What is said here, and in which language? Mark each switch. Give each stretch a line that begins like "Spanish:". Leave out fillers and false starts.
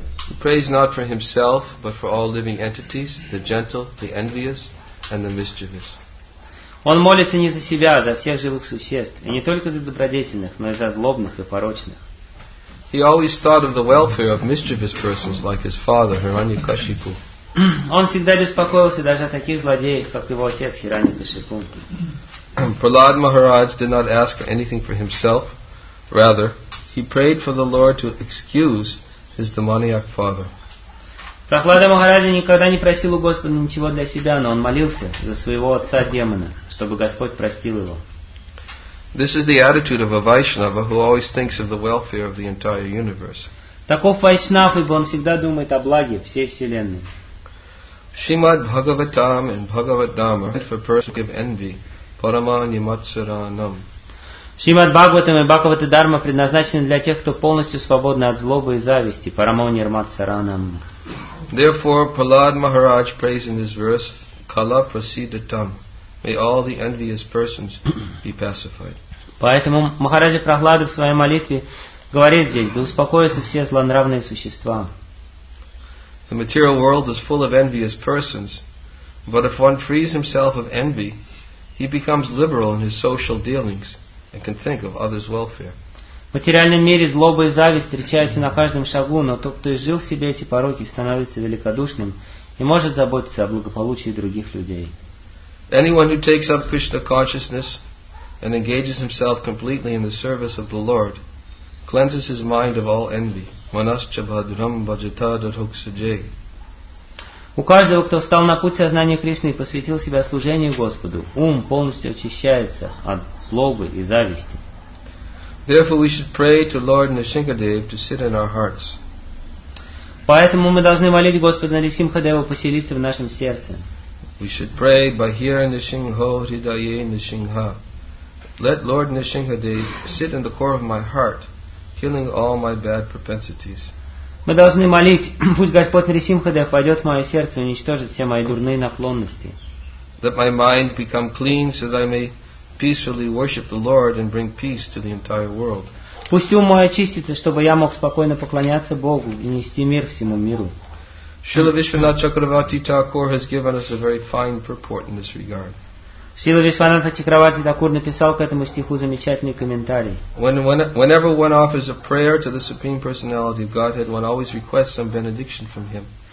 English: He prays not for himself, but for all living entities, the gentle, the envious, and the mischievous.
Russian: Он молится не за себя, а за всех живых существ, и не только за добродетельных, но и за злобных и порочных.
English: He always thought of the welfare of mischievous persons, like his father, Hiranyakashipu.
Russian: Он всегда беспокоился даже о таких злодеях, как его отец, Хираньякашипу.
English: Пралад Махарадж did not ask anything for himself, rather, He prayed for the Lord to excuse his demoniac father.
Russian: Прохлада Махараджа никогда не просил у Господа ничего для себя, но он молился за своего отца демона, чтобы Господь простил его.
English: This is the attitude of a Vaishnava who always thinks of the welfare of the entire universe.
Russian: Таков вайшнав, ибо он всегда думает о благе всей вселенной.
English: Shrimad Bhagavatam and Bhagavad Dhamma for persons of envy,
Sanskrit: paramani matsaranam.
Russian: Шримад Бхагаватам и Бхагавата Дхарма предназначены для тех, кто полностью свободен от злобы и зависти,
Sanskrit: парамони рмацаранам.
English: Therefore, Prahlad Maharaj prays in this verse,
Sanskrit: Kala prasidatam.
English: May all the envious persons be pacified.
Russian: Поэтому Махараджа Прохлада в своей молитве говорит здесь, да успокоятся все злонравные существа.
English: The material world is full of envious persons, but if one frees himself of envy, he becomes liberal in his social dealings. And can think of others' welfare.
Russian: В материальном мире злоба и зависть встречаются на каждом шагу, но тот, кто изжил в себе эти пороки, становится великодушным и может заботиться о благополучии других людей.
English: Anyone who takes up Krishna consciousness and engages himself completely in the service of the Lord cleanses his mind of all envy.
Sanskrit: Manascha bhadram bhajata dadhoksajay.
Russian: У каждого, кто встал на путь сознания Кришны и посвятил себя служению Господу, ум полностью очищается от злобы и зависти.
English: Therefore, we should pray to Lord Narsingadev to sit in our hearts.
Russian: Поэтому мы должны молить Господа Нарисимхадеву поселиться в нашем сердце.
English: We should pray
Sanskrit: Bahira Narsingho Hridaye Narsingha.
English: Let Lord Narsingadev sit in the core of my heart, killing all my bad propensities.
Russian: Мы должны молить, пусть Господь Нарисимхадев войдет в мое сердце и уничтожит все мои дурные наклонности.
English: Let my mind become clean so that I may peacefully worship the Lord and bring peace to the entire world.
Russian: Пусть ум мой очистится, чтобы я мог спокойно поклоняться Богу и нести мир всему миру.
English: Srila Vishwanatha Chakravarti Thakur has given us a very fine purport in this regard.
Russian: Srila Vishwanatha Chakravarti Thakur написал к этому стиху замечательный комментарий.
English: Whenever one offers a prayer to the Supreme Personality of Godhead, one always requests some benediction from him.